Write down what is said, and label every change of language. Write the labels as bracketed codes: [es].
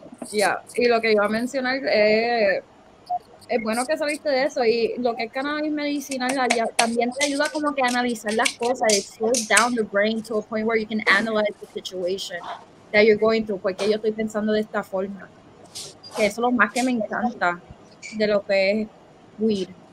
[es] Yeah, y lo que iba a mencionar es es bueno que saliste de eso. Y lo que es cannabis medicinal también te ayuda como que a analizar las cosas. [en] It slows down the brain to a point where you can analyze the situation that you're going through. [es] Porque yo estoy pensando de esta forma. Que eso es lo más que me encanta de lo que es weed.